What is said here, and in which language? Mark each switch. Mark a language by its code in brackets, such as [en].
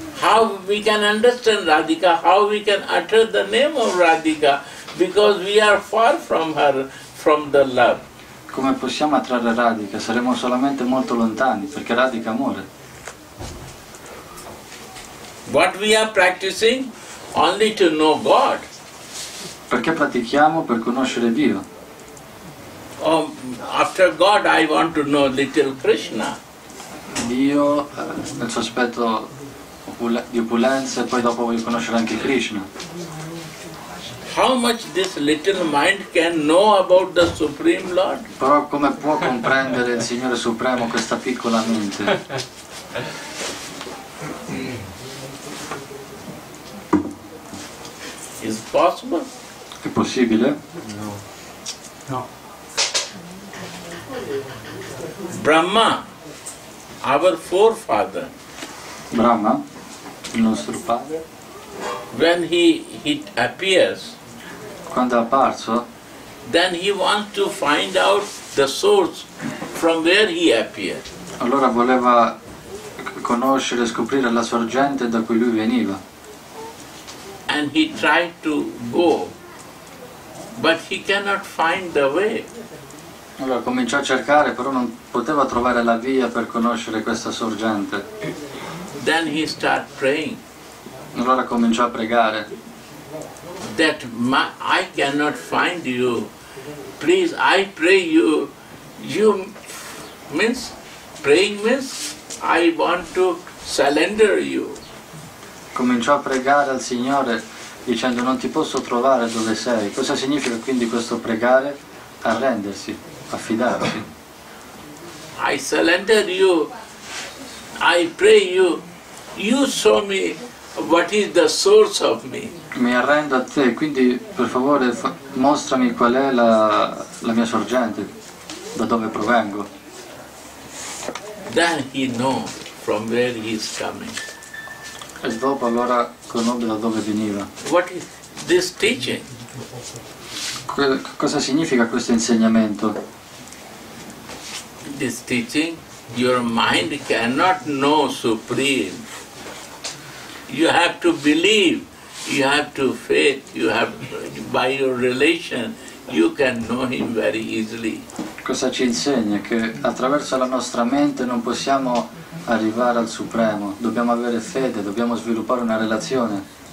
[en] how we can understand Radhika, how we can utter the name of Radhika, because we are far from her, from the love. [it] Come possiamo attrarre Radhika? Saremo solamente molto lontani, perché Radhika amore. [en] What we are practicing? Only to know God. [it] Perché pratichiamo per conoscere Dio? [en] Oh, after God I want to know little Krishna. [it] Dio nel suo aspetto di opulenza e poi dopo voglio conoscere anche Krishna. [en] How much this little mind can know about the Supreme Lord? [it] Però come può comprendere il Signore Supremo questa piccola mente? [en] Is possible? [it] È possibile? [en] No. Brahma, our forefather. [it] Brahma, il nostro padre. [en] When he appears. [it] Quando è apparso. [en] Then he wants to find out the source from where he appeared. [it] Allora voleva conoscere, scoprire la sorgente da cui lui veniva. [en] And he tried to go, but he cannot find the way. [it] Allora cominciò a cercare, però non poteva trovare la via per conoscere questa sorgente. [en] Then he start praying. [it] Allora cominciò a pregare. [en] That I cannot find you. Please, I pray you. You means praying means I want to surrender you. [it] Cominciò a pregare al Signore dicendo non ti posso trovare dove sei. Cosa significa quindi questo pregare? Arrendersi, affidarsi. [en] I surrender you, I pray you, you show me what is the source of me. [it] Mi arrendo a te, quindi per favore mostrami qual è la mia sorgente, da dove provengo. [en] Then he know from where he is coming. [it] E dopo allora conobbe da dove veniva. [en] What is this teaching? [it] Cosa significa questo insegnamento? [en] This teaching, your mind cannot know Supreme. You have to believe, you have to faith, you have by your relation, you can know him very easily. [it] Cosa ci insegna? Che attraverso la nostra mente non possiamo arrivare al Supremo, dobbiamo avere fede, dobbiamo sviluppare una relazione.